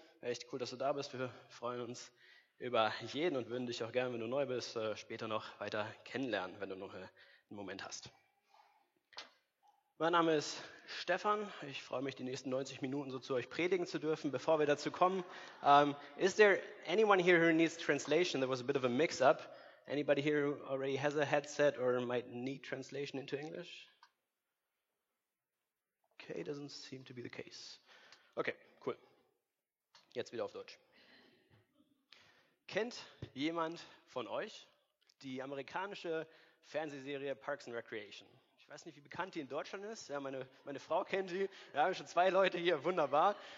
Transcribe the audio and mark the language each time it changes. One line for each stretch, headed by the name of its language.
German: Echt cool, dass du da bist. Wir freuen uns über jeden und würden dich auch gerne, wenn du neu bist, später noch weiter kennenlernen, wenn du noch einen Moment hast. Mein Name ist Stefan, ich freue mich, die nächsten 90 Minuten so zu euch predigen zu dürfen, bevor wir dazu kommen.
English: Is there anyone here who needs translation? There was a bit of a mix-up. Anybody here who already has a headset or might need translation into English? Okay, doesn't seem to be the case. Okay, cool.
German: Jetzt wieder auf Deutsch. Kennt jemand von euch die amerikanische Fernsehserie Parks and Recreation? Ich weiß nicht, wie bekannt die in Deutschland ist. Ja, meine Frau kennt sie. Ja, schon zwei Leute hier, wunderbar.